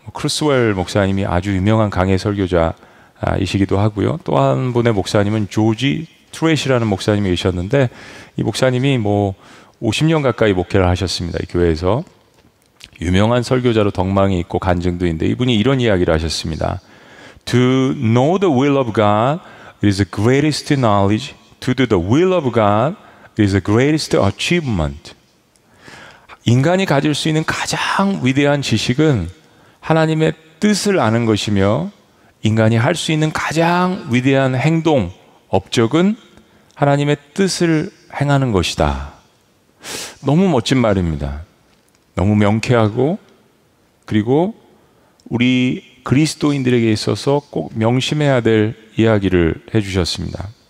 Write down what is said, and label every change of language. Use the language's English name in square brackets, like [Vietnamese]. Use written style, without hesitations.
[Korean] 크루스웰 목사님이 아주 유명한 강해 설교자이시기도 하고요. 또 한 분의 목사님은 조지 트렛이라는 목사님이 계셨는데 이 목사님이 뭐 50년 가까이 목회를 하셨습니다. 이 교회에서 유명한 설교자로 덕망이 있고 간증도 있는데 이분이 이런 이야기를 하셨습니다. [English] To know the will of God is the greatest knowledge. To do the will of God is the greatest achievement. [Korean] 인간이 가질 수 있는 가장 위대한 지식은 하나님의 뜻을 아는 것이며 인간이 할 수 있는 가장 위대한 행동, 업적은 하나님의 뜻을 행하는 것이다. 너무 멋진 말입니다. 너무 명쾌하고 그리고 우리 그리스도인들에게 있어서 꼭 명심해야 될 이야기를 해주셨습니다.